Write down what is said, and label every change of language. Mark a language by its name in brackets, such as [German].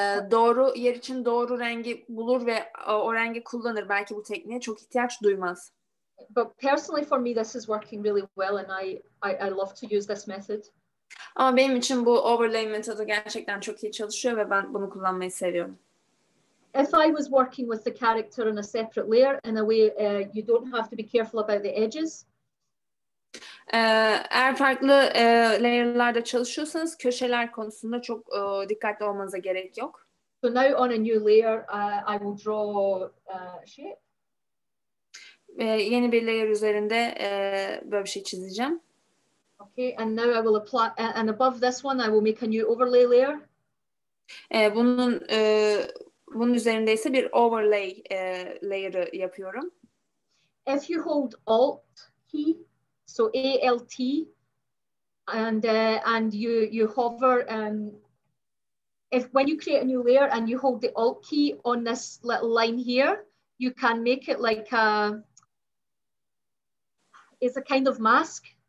[Turkish] Doğru yer için doğru rengi bulur ve o rengi kullanır. Belki bu tekniğe çok ihtiyaç duymaz. [English] But personally for me this is working really well and I love to use this method. [Turkish] Ama benim için bu overlay metodu gerçekten çok iyi çalışıyor ve ben bunu kullanmayı seviyorum. [English] If I was working with the character on a separate layer in a way you don't have to be careful about the edges. [Turkish] Eğer farklı layer'larda çalışıyorsanız köşeler konusunda çok dikkatli olmanıza gerek yok. [English] So now on a new layer I will draw a shape. [Turkish] Yeni bir layer üzerinde böyle bir şey çizeceğim. [English] Okay, and now I will apply, and above this one, I will make a new overlay layer. [Turkish] Bunun üzerinde ise bir overlay layer'ı yapıyorum. [English] If you hold Alt key, so Alt, and you hover, if when you create a new layer and you hold the Alt key on this little line here, you can make it like it's a kind of mask.